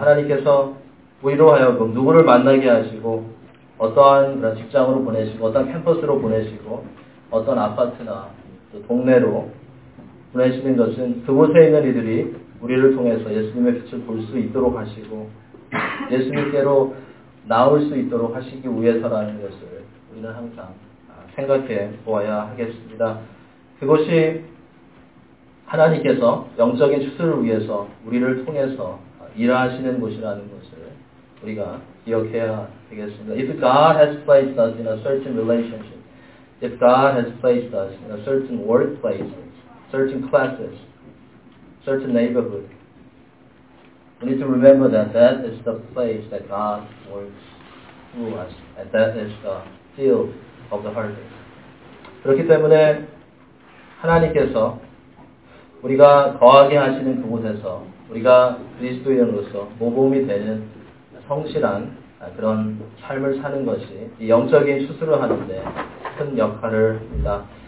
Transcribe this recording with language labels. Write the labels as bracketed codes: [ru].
[ko] 하나님께서 우리로 하여금 누구를 만나게 하시고 어떠한 그런 직장으로 보내시고 어떤 캠퍼스로 보내시고 어떤 아파트나 또 동네로 보내시는 것은 그곳에 있는 이들이 우리를 통해서 예수님의 빛을 볼 수 있도록 하시고 예수님께로 나올 수 있도록 하시기 위해서라는 것을 우리는 항상 생각해 보아야 하겠습니다. 그것이 하나님께서 영적인 추수를 위해서 우리를 통해서 일하시는 곳이라는 것을 우리가 기억해야 되겠습니다. [en] If God has placed us in a certain relationship, if God has placed us in a certain workplace, certain classes, certain neighborhood, we need to remember that that is the place that God works through us, and that is the field of the harvest. [ko] 그렇기 때문에 하나님께서 우리가 거하게 하시는 그곳에서 우리가 그리스도인으로서 모범이 되는 성실한 그런 삶을 사는 것이 이 영적인 추수를 하는데 큰 역할을 합니다.